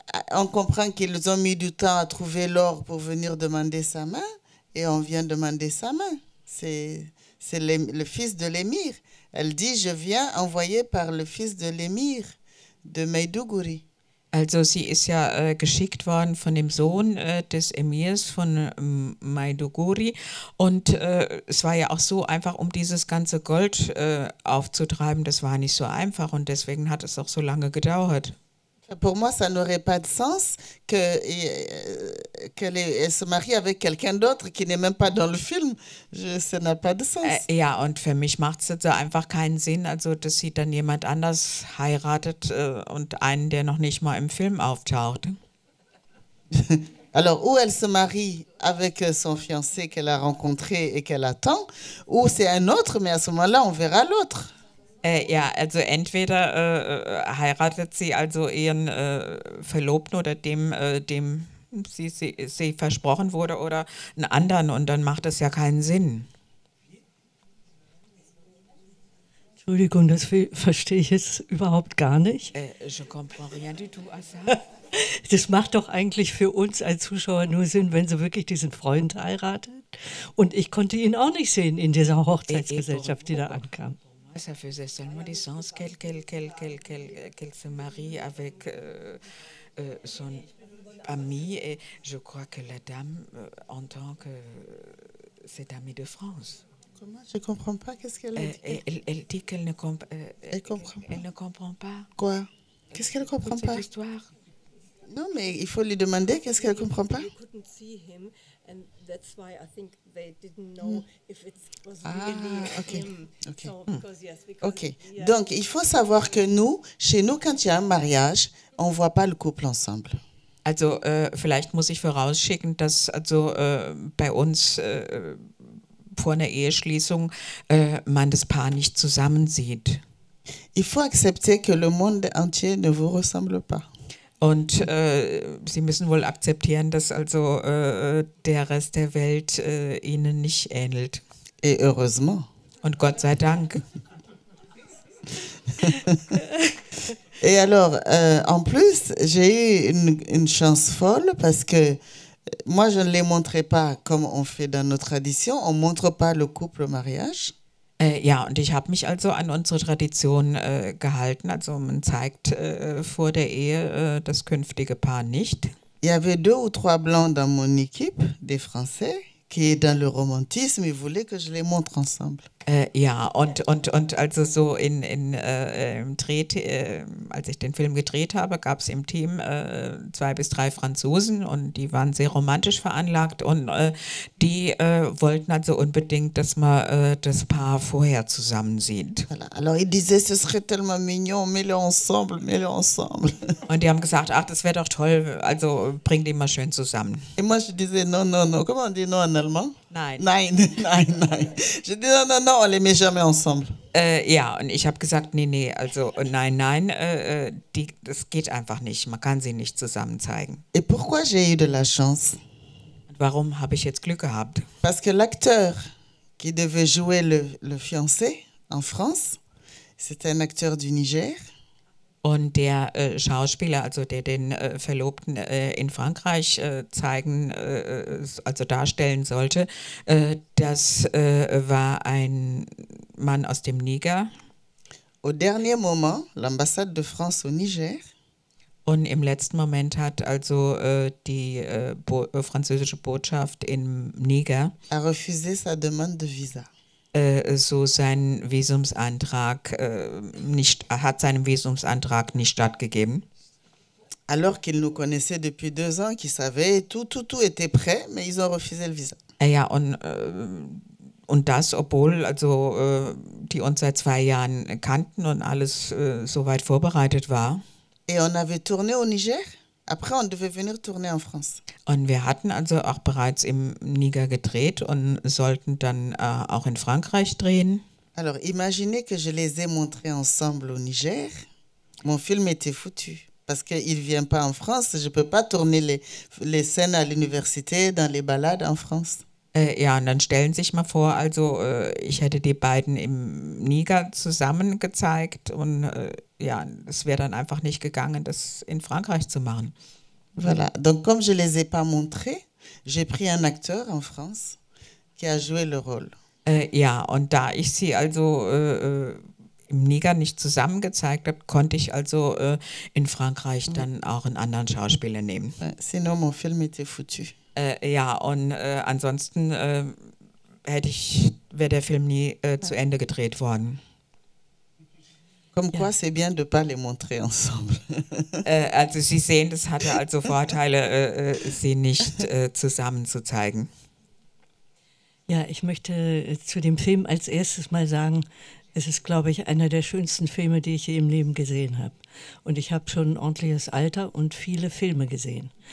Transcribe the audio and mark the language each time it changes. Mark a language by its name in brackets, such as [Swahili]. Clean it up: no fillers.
[French] On comprend qu'ils ont mis du temps à trouver l'or pour venir demander sa main et on vient demander sa main. C'est le fils de l'émir. Elle dit, je viens envoyé par le fils de l'émir de Maiduguri. [German] Also, sie ist ja geschickt worden von dem Sohn des Emirs von Maiduguri. Und es war ja auch so einfach, um dieses ganze Gold aufzutreiben, das war nicht so einfach und deswegen hat es auch so lange gedauert. [French] Pour moi, ça n'aurait pas de sens qu'elle se marie avec quelqu'un d'autre qui n'est même pas dans le film. Ça n'a pas de sens. [German] Ja, und für mich macht es jetzt einfach keinen Sinn, also dass sie dann jemand anders heiratet und einen, der noch nicht mal im Film auftaucht. [French] Alors, ou elle se marie avec son fiancé qu'elle a rencontré et qu'elle attend, ou c'est un autre, mais à ce moment-là, on verra l'autre. [German] Ja, also entweder heiratet sie also ihren Verlobten oder dem sie versprochen wurde oder einen anderen und dann macht es ja keinen Sinn. Entschuldigung, das verstehe ich jetzt überhaupt gar nicht. [French] Je comprends rien du tout à ça. [German] Das macht doch eigentlich für uns als Zuschauer nur Sinn, wenn sie wirklich diesen Freund heiratet. Und ich konnte ihn auch nicht sehen in dieser Hochzeitsgesellschaft, die da ankam. [French] Ça faisait seulement du sens qu'elle se marie avec son ami et je crois que la dame en tant que cette amie de France. Comment? Je ne comprends pas qu'est-ce qu'elle a dit. Elle dit qu'elle ne comprend pas. Elle ne comprend pas. Quoi? Qu'est-ce qu'elle ne comprend toute pas? Cette histoire. Non, mais il faut lui demander qu'est-ce qu'elle ne comprend pas. [English] And that's why I think they didn't know if it was really okay. Him. Okay. So, because yeah. [French] Donc il faut savoir que nous, chez nous, quand il y a un mariage, on voit pas le couple ensemble. [German] Also vielleicht muss ich vorausschicken, dass also bei uns vor einer Eheschließung man das Paar nicht zusammen sieht. [French] Il faut accepter que le monde entier ne vous ressemble pas. [German] Und sie müssen wohl akzeptieren, dass also der Rest der Welt ihnen nicht ähnelt. [French] Et heureusement. [German] Und Gott sei Dank. [French] Et alors, en plus, j'ai eu une chance folle parce que moi, je ne les montrais pas comme on fait dans nos traditions. On montre pas le couple mariage. [German] Ja, und ich habe mich also an unsere Tradition gehalten. Also man zeigt vor der Ehe das künftige Paar nicht. [French] Il y avait deux ou trois blancs dans mon équipe, des Français, qui est dans le romantisme, il voulait que je les montre ensemble. [German] Ja, und also so im Dreh, als ich den Film gedreht habe, gab es im Team 2 bis 3 Franzosen und die waren sehr romantisch veranlagt und die wollten also unbedingt, dass man das Paar vorher zusammen sieht. [French] Voilà. Alors ils disaient, ce serait tellement mignon, mets-les ensemble, mets-les ensemble. [German] Und die haben gesagt, ach, das wäre doch toll, also bring die mal schön zusammen. [French] Et moi je disais, non, non, non, comment on dit non en allemand? [German] Nein. [French] Je dis non, non, non, on les met jamais ensemble. [German] Ja, und ich habe gesagt, nee, nee, also nein, nein, das geht einfach nicht. Man kann sie nicht zusammen zeigen. [French] Et pourquoi j'ai eu de la chance? [German] Und warum habe ich jetzt Glück gehabt? [French] Parce que l'acteur qui devait jouer le fiancé en France, c'était un acteur du Niger. [German] Und der Schauspieler, also der den Verlobten in Frankreich zeigen, also darstellen sollte, das war ein Mann aus dem Niger. [French] Au dernier moment, l'ambassade de France au Niger. [German] Und im letzten Moment hat also die französische Botschaft in Niger [French] a refusé sa demande de visa. [German] So seinen Visumsantrag nicht hat seinem Visumsantrag nicht stattgegeben. [French] Alors qu'il nous connaissait depuis 2 ans, qu'il savait tout était prêt, mais ils ont refusé le visa. [German] Ja, und das, obwohl also die uns seit 2 Jahren kannten und alles soweit vorbereitet war. [French] Et on avait tourné au Niger. Après, on devait venir tourner en France. [German] Und wir hatten also auch bereits im Niger gedreht und sollten dann auch in Frankreich drehen. [French] Alors, imaginez que je les ai montrés ensemble au Niger. Mon film était foutu. Parce qu'il ne vient pas en France. Je ne peux pas tourner les scènes à l'université, dans les balades en France. [German] Ja, und dann stellen sich mal vor, also ich hätte die beiden im Niger zusammen gezeigt und ja, es wäre dann einfach nicht gegangen, das in Frankreich zu machen. [French] Voilà, donc comme je ne les ai pas montré, j'ai pris un acteur en France qui a joué le rôle. [German] Ja, und da ich sie also im Niger nicht zusammen gezeigt habe, konnte ich also in Frankreich dann auch einen anderen Schauspieler nehmen. [French] Sinon mon film était foutu. [German] Ja, und ansonsten wäre der Film nie zu Ende gedreht worden. [French] Comme quoi, c'est bien de pas les montrer ensemble. [German] Also Sie sehen, das hatte also Vorteile, sie nicht zusammen zu zeigen. Ja, ich möchte zu dem Film als erstes mal sagen, es ist, glaube ich, einer der schönsten Filme, die ich je im Leben gesehen habe. Und ich habe schon ein ordentliches Alter und viele Filme gesehen.